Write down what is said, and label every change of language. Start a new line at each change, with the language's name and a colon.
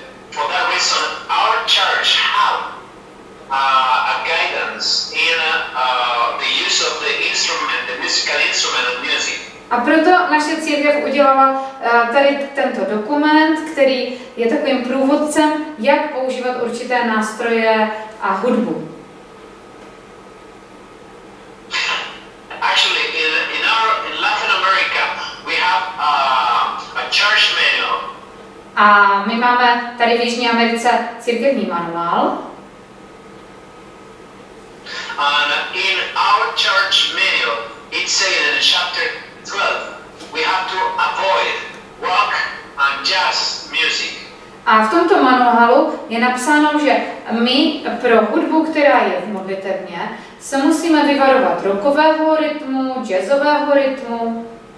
English: For that reason, our church have a guidance in the use of the instrument, the musical instrument of music.
Czech: A proto naše církev udělala tady tento dokument, který je takovým průvodcem, jak používat určité nástroje a hudbu.
English: Actually, in Latin America, we have a church manual.
Czech: A my máme tady v Jižní Americe církevní manuál.
English: And in our church manual, it says in chapter 12, we have to avoid rock and jazz music.
Czech: A v tomto manuálu je napsáno, že my pro hudbu, která je v modlitevně, se musíme vyvarovat rockového rytmu, jazzového rytmu.